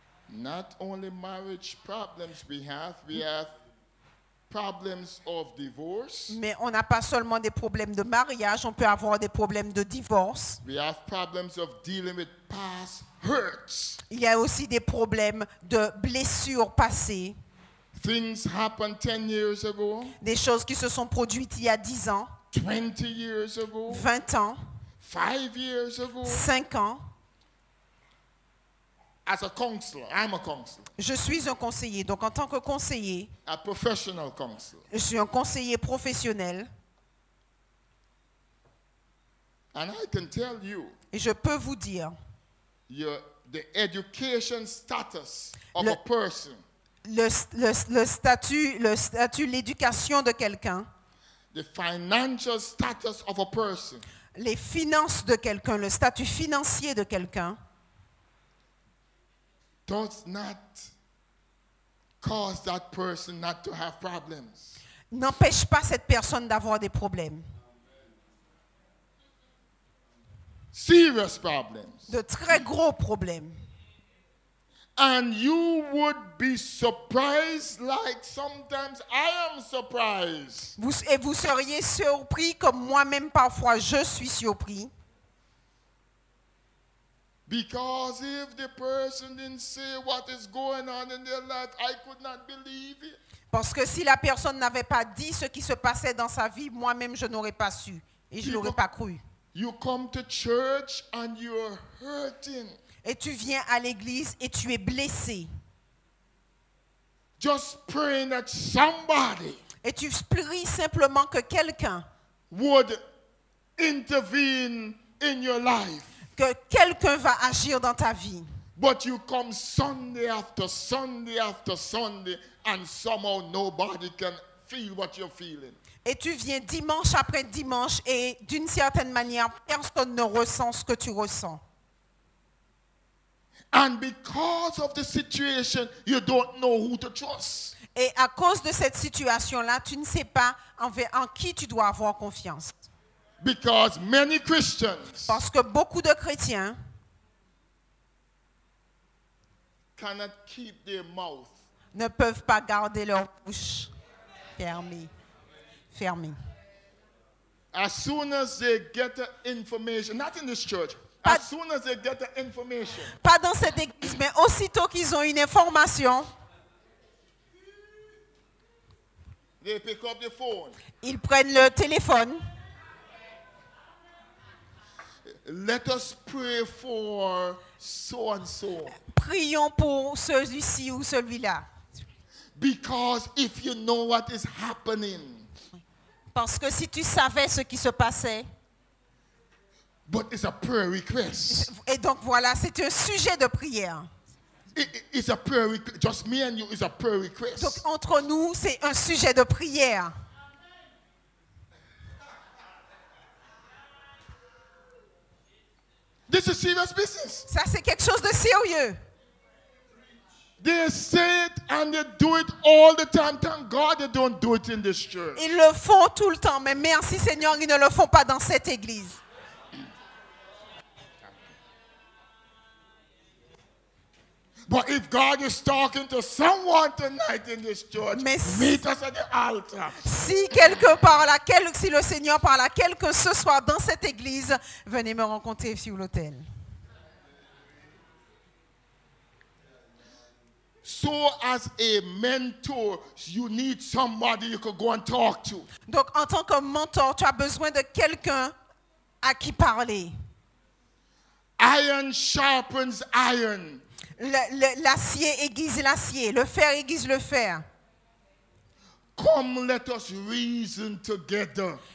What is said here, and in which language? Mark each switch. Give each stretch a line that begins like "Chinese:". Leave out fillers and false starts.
English: Not only marriage problems we have problems of divorce.
French: Mais on n'a pas seulement des problèmes de mariage, on peut avoir des problèmes de divorce.
English: We have problems of dealing with past hurts.
French: Il y a aussi des problèmes de blessures passées.
English: Things happened 10 years ago.
French: Des choses qui se sont produites il y a 10 ans.
English: 20 years ago.
French: 20 ans.
English: 5 years ago.
French: 5 ans.
English: As a counselor, I'm a counselor.
French: Je suis un conseiller, donc en tant que conseiller.
English: A professional counselor.
French: Je suis un conseiller professionnel.
English: And I can tell you.
French: Et je peux vous dire.
English: The education status of a person.
French: Le statut, l'éducation de quelqu'un.
English: The financial status of a person.
French: Les finances de quelqu'un, le statut financier de quelqu'un.
English: Does not cause that person not to have problems.
French: N'empêche pas cette personne d'avoir des problèmes.
English: serious problems.
French: De très gros problèmes.
English: And you would be surprised, like sometimes I am surprised.
French: Vous seriez surpris comme moi-même parfois je suis surpris.
English: Because if the person didn't say what is going on in their life, I could not believe it.
French: Parce que si la personne n'avait pas dit ce qui se passait dans sa vie, moi-même je n'aurais pas su et je n'aurais pas cru.
English: You come to church and you're hurting.
French: Et tu viens à l'église et tu es blessé.
English: Just praying that somebody.
French: Et tu pries simplement que quelqu'un
English: would intervene in your life.
French: Que quelqu'un va agir dans ta vie.
English: But you come Sunday after Sunday after Sunday, and somehow nobody can feel what you're feeling.
French: Et tu viens dimanche après dimanche, et d'une certaine manière, personne ne ressent ce que tu ressens.
English: And because of the situation, you don't know who to trust.
French: Et à cause de cette situation-là, tu ne sais pas en qui tu dois avoir confiance.
English: Because many Christians.
French: Parce que beaucoup de chrétiens.
English: Cannot keep their mouth.
French: Ne peuvent pas garder leur bouche fermée. Fermée.
English: As soon as they get the information, not in this church. As soon as they get the information.
French: Pas dans cette église, mais aussitôt qu'ils ont une information.
English: They pick up the phone.
French: Ils prennent le téléphone.
English: Let us pray for so and so.
French: Prions pour celui-ci ou celui-là.
English: Because if you know what is happening.
French: Parce que si tu savais ce qui se passait.
English: But it's a prayer request.
French: Et donc voilà, c'est un sujet de prière.
English: It's a prayer request. Just me and you, it's a prayer request.
French: Donc entre nous, c'est un sujet de prière.
English: This is serious business.
French: Ça, c'est quelque chose de sérieux.
English: They say it and they do it all the time. Thank God they don't do it in this church.
French: Ils le font tout le temps, mais merci Seigneur, ils ne le font pas dans cette église.
English: But if God is talking to someone tonight in this church, meet us at the altar.
French: Si quelqu'un parle à quelqu'un, si le Seigneur parle à quelqu'un ce soir dans cette église, venez me rencontrer sur l'autel.
English: So as a mentor, you need somebody you could go and talk to.
French: Donc en tant que mentor, tu as besoin de quelqu'un à qui parler.
English: Iron sharpens iron.
French: L'acier aiguise l'acier, le fer aiguise le fer.
English: Come, let us reason together.